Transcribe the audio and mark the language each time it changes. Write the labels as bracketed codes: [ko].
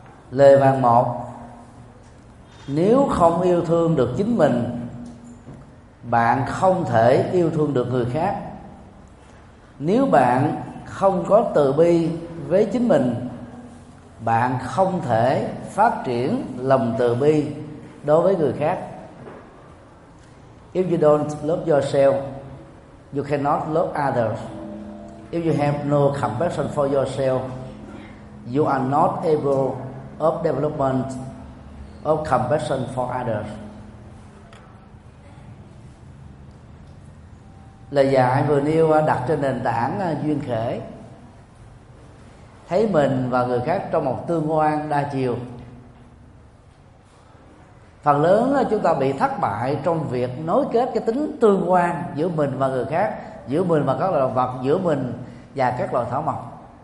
[vi] Lời vàng 1: nếu không yêu thương được chính mình, bạn không thể yêu thương được người khác. Nếu bạn không có từ bi với chính mình, bạn không thể phát triển lòng từ bi đối với người khác. [en] If you don't love yourself, you cannot love others. If you have no compassion for yourself, you are not able of development of compassion for others. [vi] Lời dạy vừa nêu đặt trên nền tảng duyên khởi, thấy mình và người khác trong một tương quan đa chiều. Phần lớn chúng ta bị thất bại trong việc nối kết cái tính tương quan giữa mình và người khác, giữa mình và các loài động vật, giữa mình và các loài thảo mộc.